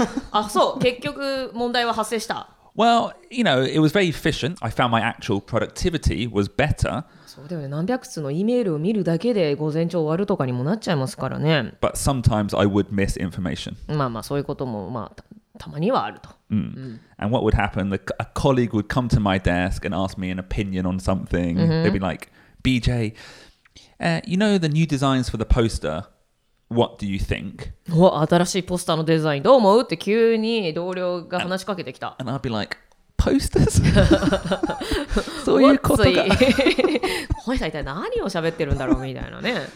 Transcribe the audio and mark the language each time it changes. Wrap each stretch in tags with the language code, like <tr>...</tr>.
<ja>あ、そう。結局問題は発生した。</ja> <en>Well, you know, it was very efficient. I found my actual productivity was better.</en> <ja>そうだよね。何百通のEメールを見るだけで午前中終わるとかにもなっちゃいますからね。</ja> <en>But sometimes I would miss information.</en> <ja>まあまあそういうこともまあ。たまにはあると。</ja> <en>Mm. Mm. And what would happen? A colleague would come to my desk and ask me an opinion on something. Mm-hmm. They'd be like, BJ, you know the new designs for the poster? What do you think? What?</en> <ja>新しいポスターのデザインどう思う?って急に同僚が話しかけてきた。</ja> <en>And I'd be like, posters?</en> <ja>そういうことか。本日は一体何を喋ってるんだろうみたいなね。</ja>